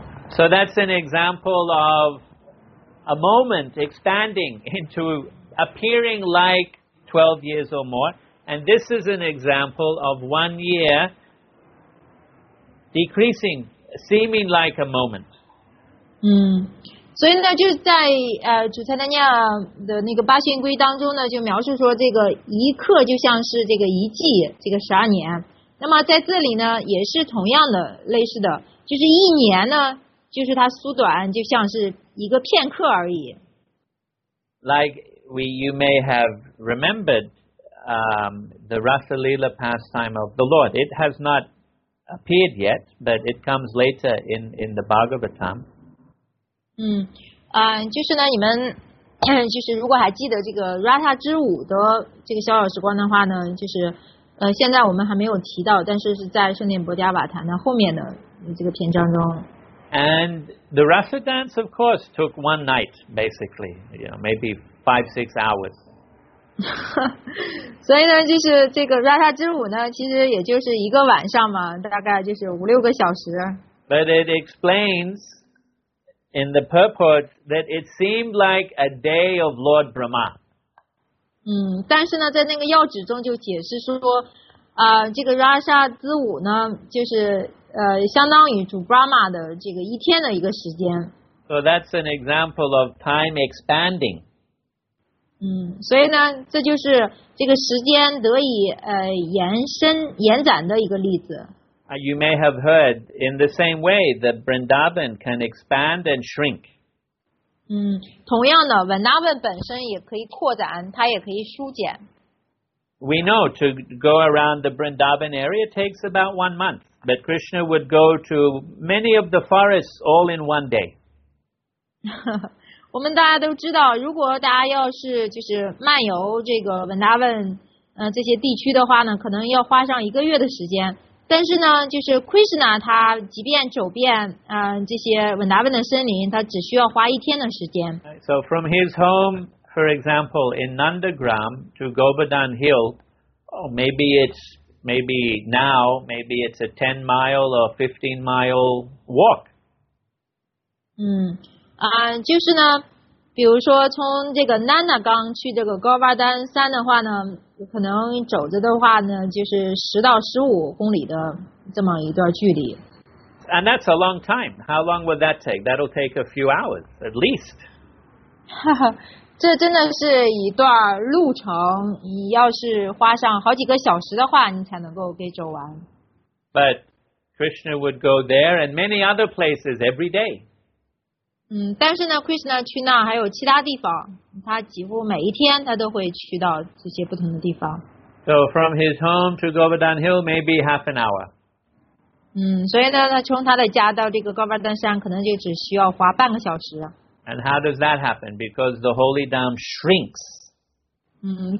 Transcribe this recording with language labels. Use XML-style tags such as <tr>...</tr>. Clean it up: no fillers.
<en>So that's an example of a moment expanding into appearing like 12 years or more. And this is an example of 1 year decreasing, seeming like a moment.</en> <zh>所以呢，就是在主菜丹尼亚的那个八仙归当中呢，就描述说这个一刻就像是这个一季，这个十二年。那么在这里呢，也是同样的类似的，就是一年呢，就是它缩短，就像是一个片刻而已。</zh> <en>Like we, you may have remembered, the Rasa Lila pastime of the Lord. It has not appeared yet, but it comes later in the Bhagavatam.</en> <zh>就是呢，你们就是如果还记得这个 Rasa 之舞的这个小小时光的话呢，就是现在我们还没有提到，但是是在圣殿伯迦瓦坛的后面的这个篇章中。</zh> <en>And the Rasa dance, of course, took one night, basically, you know, maybe 5-6 hours.</en> <zh>所以呢，就是这个 Rasa 之舞呢，其实也就是一个晚上嘛，大概就是5-6个小时。</zh> <en>But it explains. In the purport, that it seemed like a day of Lord Brahma.</en> <zh>但是呢，在那个要旨中就解释说，这个 Rasa 之舞呢，就是相当于主 Brahma 的这个一天的一个时间。</zh> <en>So that's an example of time expanding.</en> <zh>所以呢，这就是这个时间得以延展的一个例子。</zh> <en>You may have heard in the same way that Vrindavan can expand and shrink.</en> <zh>同样的 ，Vrindavan 本身也可以扩展，它也可以缩减。</zh> <en>We know to go around the Vrindavan area takes about 1 month, but Krishna would go to many of the forests all in one day.</en> <zh>我们大家都知道，如果大家要是就是漫游这个 Vrindavan 这些地区的话呢，可能要花上一个月的时间。但是呢，就是 Krishna 他即便走遍这些 Vrindavan 的森林，他只需要花一天的时间。</zh> <en>So from his home, for example, in Nandagram to Govardhan Hill, maybe it's a 10-mile or 15-mile walk.</en> <zh>就是呢，比如说从这个 Nandagram 去这个 Govardhan 山的话呢。可能走着的话呢，就是10-15公里的这么一段距离。</zh> <en>And that's a long time. How long would that take? That'll take a few hours, at least.</en> <zh>这真的是一段路程，你要是花上好几个小时的话，你才能够给走完。</zh> <en>But Krishna would go there and many other places every day.</en> <zh>但是呢 ，Krishna 去那还有其他地方。他几乎每一天他都会去到这些不同的地方。</zh> <en>So from his home to Govardhan Hill, maybe half an hour.</en> <zh>所以呢，他从他的家到这个 Govardhan 山可能就只需要花半个小时。</zh> <en>And how does that happen? Because the holy dam shrinks.</en>